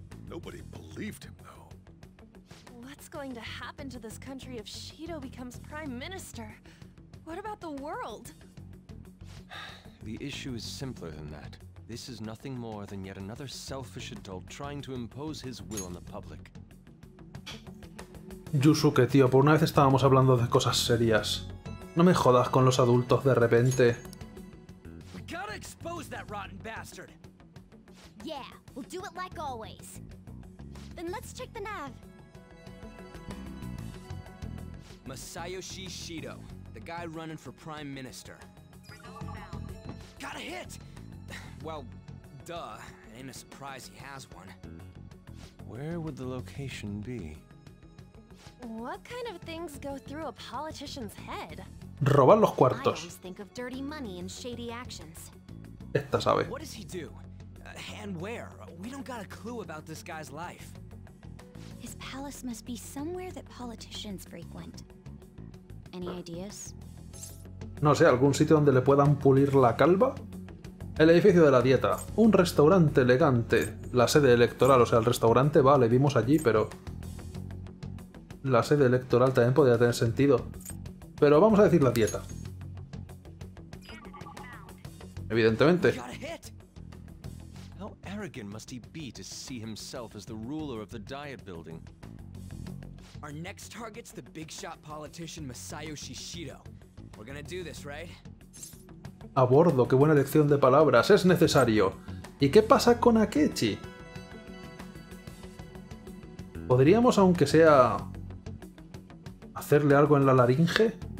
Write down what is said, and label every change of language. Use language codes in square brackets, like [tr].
[en] Nobody believed him, though. What's going to happen to this country if Shido becomes Prime Minister? What about the world? The issue is simpler than that. This is nothing more than yet another selfish adult trying to impose his will on the public. [es] Yusuke, tío, por una vez estábamos hablando de cosas serias. No me jodas con los adultos de repente. [en] We gotta expose that rotten bastard. Yeah, we'll do it like always. Then let's check the nav. Masayoshi Shido, the guy running for prime minister. Got a hit. Well, duh. It ain't a surprise he has one. Where would the location be? What kind of things go through a politician's head? [es] Robar los cuartos. [en] I always think of dirty money and shady actions. [es] Esta sabe. [en] What does he do? And where? We don't got a clue about this guy's life. His palace must be somewhere that politicians frequent. Any ideas? [es] No sé, algún sitio donde le puedan pulir la calva. El edificio de la dieta. Un restaurante elegante. La sede electoral, o sea, el restaurante, vale, vimos allí, pero la sede electoral también podría tener sentido. Pero vamos a decir la dieta. Evidentemente. [en] arrogant must he be to see himself as the ruler of the Diet Building? Our next target's the big shot politician Masayo Shishido. We're gonna do this, right? [es] A bordo, qué buena elección de palabras, es necesario. ¿Y qué pasa con Akechi? ¿Podríamos, aunque sea, hacerle algo en la laringe?